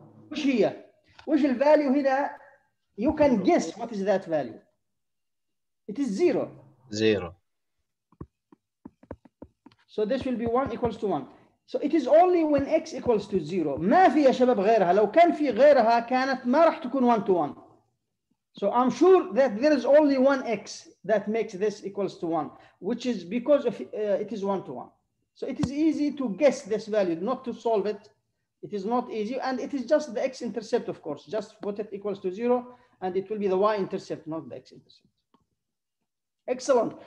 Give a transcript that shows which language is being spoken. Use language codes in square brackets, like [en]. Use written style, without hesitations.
[ar] وش هي؟ وش الفاليو هنا؟ [en] You can guess what is that value. It is zero. Zero. So this will be one equals to one. So it is only when x equals to zero. [ar] ما في يا شباب غيرها. لو كان في غيرها كانت ما راح تكون [en] one to one. So I'm sure that there is only one x that makes this equals to one, which is because of it is one to one. So it is easy to guess this value, not to solve it. It is not easy. And it is just the x-intercept, of course. Just put it equals to zero, and it will be the y-intercept, not the x-intercept. Excellent.